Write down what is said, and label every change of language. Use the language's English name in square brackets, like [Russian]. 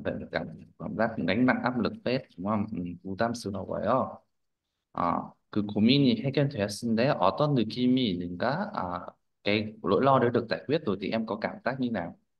[Vietnamese] 감 gánh nặng áp lực phết, đúng không? [Korean] 부담스러워요. 그 고민이 해결되었는데 어떤 느낌이 있는가? [Vietnamese] 그 nỗi lo đã được giải quyết rồi thì em có cảm giác như nào?